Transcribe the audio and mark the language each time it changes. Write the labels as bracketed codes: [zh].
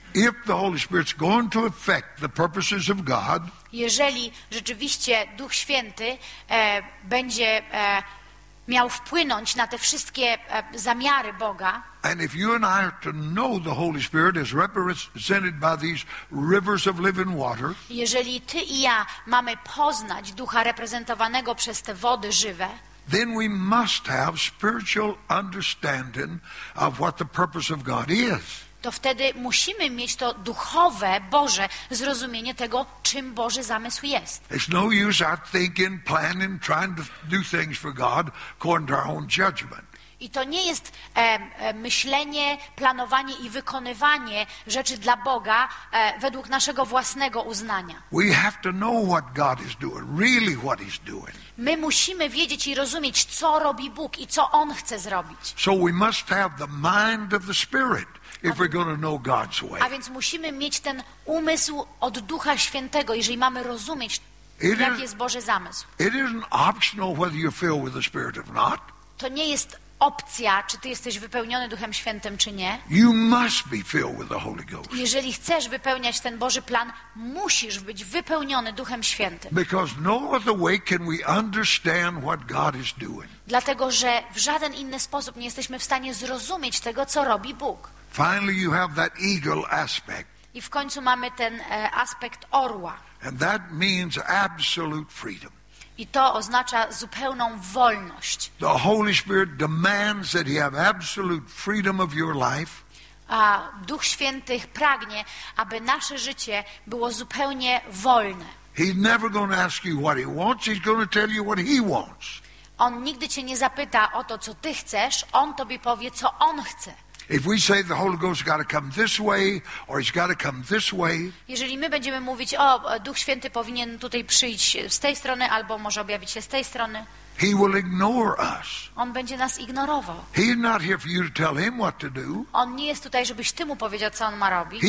[en] if the Holy Spirit's going to affect the purposes of God, [pl] jeżeli rzeczywiście Duch Święty będzie miał wpłynąć na te wszystkie zamiary Boga, [en] and if you and I are to know the Holy Spirit as represented by these rivers of living water, [pl] jeżeli ty i ja mamy poznać Ducha reprezentowanego przez te wody żywe, [en] then we must have spiritual understanding of what the purpose of God is. [pl] To wtedy musimy mieć to duchowe, Boże zrozumienie tego, czym Boży zamysł jest. [en] It's no use our thinking, planning, trying to do things for God according to our own judgment. [pl] I to nie jest myślenie, planowanie i wykonywanie rzeczy dla Boga według naszego własnego uznania. [en] We have to know what God is doing, really what he's doing. [pl] My musimy wiedzieć i rozumieć, co robi Bóg i co On chce zrobić. [en] So we must have the mind of the Spirit if we're going to know God's way. [pl] A więc musimy mieć ten umysł od Ducha Świętego, jeżeli mamy rozumieć, jaki jest Boży zamysł. [en] It isn't optional whether you're filled with the Spirit or not. [pl] To nie jest opcja, czy ty jesteś wypełniony Duchem Świętym, czy nie. [en] You must be filled with the Holy Ghost. [pl] Jeżeli chcesz wypełniać ten Boży plan, musisz być wypełniony Duchem Świętym. [en] Because no other way can we understand what God is doing. [pl] Dlatego, że w żaden inny sposób nie jesteśmy w stanie zrozumieć tego, co robi Bóg. [en] Finally you have that eagle aspect. [pl] I w końcu mamy ten aspekt orła. [en] And that means absolute freedom. [pl] I to oznacza zupełną wolność. [en] The Holy Spirit demands that you have absolute freedom of your life. [pl] A Duch Święty pragnie, aby nasze życie było zupełnie wolne. [en] He's never going to ask you what he wants. He's going to tell you what he wants. [pl] On nigdy cię nie zapyta o to, co ty chcesz. On tobie powie, co on chce. [en] If we say the Holy Ghost got to come this way, or he's got to come this way, [pl] jeżeli my będziemy mówić, o, Duch Święty powinien tutaj przyjść z tej strony, albo może objawić się z tej strony, [en] he will ignore us. [pl] On będzie nas ignorował. [en] He's not here for you to tell him what to do. [pl] On nie jest tutaj, żebyś ty mu powiedział, co on ma robić.